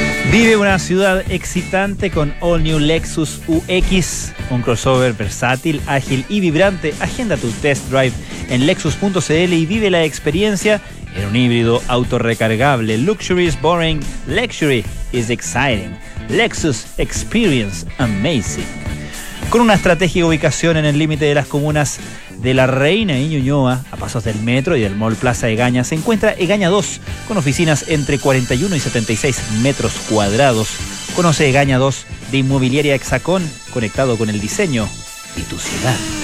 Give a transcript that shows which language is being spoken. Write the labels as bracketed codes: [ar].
[es] Vive una ciudad excitante con All New Lexus UX, un crossover versátil, ágil y vibrante. Agenda tu test drive en Lexus.cl y vive la experiencia en un híbrido autorrecargable. [en] Luxury is boring, luxury is exciting. Lexus Experience Amazing. [es] Con una estratégica ubicación en el límite de las comunas de La Reina y Ñuñoa, a pasos del metro y del Mall Plaza Egaña, se encuentra Egaña 2, con oficinas entre 41 y 76 metros cuadrados. Conoce Egaña 2 de Inmobiliaria Hexacón, conectado con el diseño y tu ciudad.